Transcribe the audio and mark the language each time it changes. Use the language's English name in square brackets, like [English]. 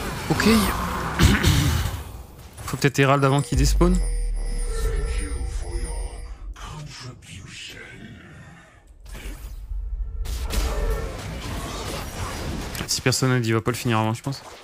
[French] Ok. Faut peut-être Herald avant qu'il despawn. [English] Thank you for your contribution. [French] Si personne ne dit, il va pas le finir avant, je pense.